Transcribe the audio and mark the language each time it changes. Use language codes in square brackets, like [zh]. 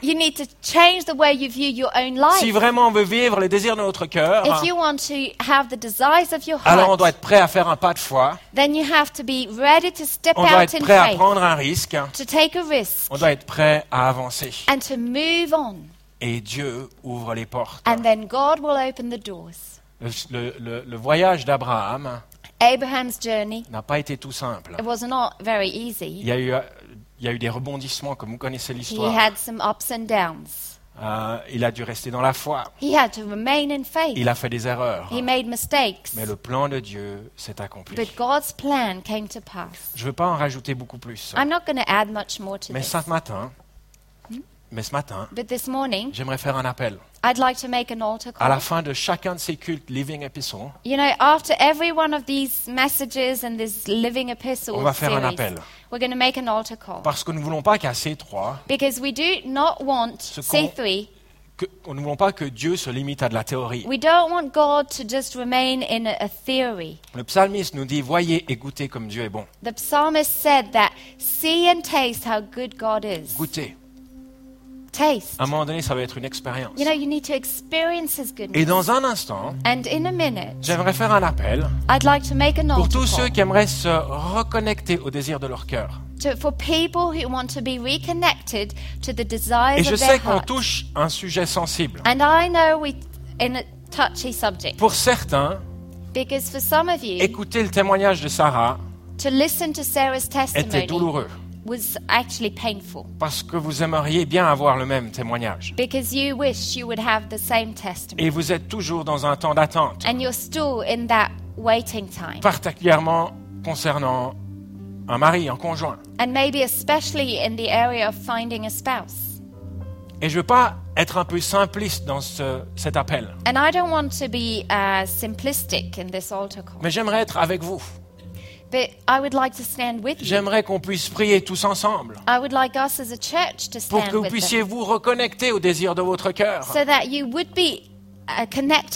[en] You need to change the way you view your own life. [fr] Si vraiment on veut vivre les désirs de notre cœur, [en] if you want to have the desires of your heart, [fr] alors on doit être prêt à faire un pas de foi. [en] Then you have to be ready to step out in faith. [fr] On doit être prêt à prendre un risque. [en] To take a risk. [fr] On doit être prêt à avancer. [en] And to move on. [fr] Et Dieu ouvre les portes. [en] And then God will open the doors. [fr] Le voyage d'Abraham, [en] Abraham's journey, [fr] n'a pas été tout simple. [en] It was not very easy. [fr] Il y a eu des rebondissements, comme vous connaissez l'histoire. [en] He had some ups and downs. [fr] Il a dû rester dans la foi. [en] He had to remain in faith. [fr] Il a fait des erreurs. [en] He made mistakes. [fr] Mais le plan de Dieu s'est accompli. [en] But God's plan came to pass. [fr] Je ne veux pas en rajouter beaucoup plus. [en] I'm not going to add much more to [fr] mais [en] this. [fr] Ce matin, [en] but this morning, [fr] j'aimerais faire un appel. [en] I'd like to make an altar call. [fr] À la fin de chacun de ces cultes Living Epistle. [en] You know, after every one of these messages and this Living Epistle series, we're going to make an altar call. [fr] Parce que nous voulons pas qu'à C3, [en] because we do not want C3. [fr] Nous ne voulons pas que Dieu se limite à de la théorie. [en] We don't want God to just remain in a theory. [fr] Le psalmiste nous dit, voyez et goûtez comme Dieu est bon. [en] The psalmist said that see and taste how good God is. [fr] Goûtez. [en] Taste. [fr] À un moment donné, ça va être une expérience. [en] You know, you need to experience his goodness. [fr] Et dans un instant, [en] and in a minute, [fr] j'aimerais faire un appel, [en] I'd like to make an [fr] pour tous ceux qui aimeraient se reconnecter au désir de leur cœur. [en] For people who want to be reconnected to the desires heart. [fr] Et je sais qu'on touche un sujet sensible. [en] And I know we in a touchy subject. [fr] Pour certains, [en] because for some of you, [fr] écouter le témoignage de Sarah, [en] to listen to Sarah's testimony, [fr] était douloureux. [en] Was actually painful. [fr] Parce que vous aimeriez bien avoir le même témoignage. [en] Because you wish you would have the same testimony. [fr] Et vous êtes toujours dans un temps d'attente. [en] And you're still in that waiting time. [fr] Particulièrement concernant un mari, un conjoint. [en] And maybe especially in the area of finding a spouse. [fr] Et je veux pas être un peu simpliste dans cet appel. [en] And I don't want to be simplistic in this altar call. [fr] Mais j'aimerais être avec vous. [en] But I would like to stand with you. [fr] J'aimerais qu'on puisse prier tous ensemble. [en] I would like us as a church to stand [fr] pour que vous [en] with [fr] puissiez [en] them. [fr] Vous reconnecter au désir de votre cœur. [en] So that you would be connected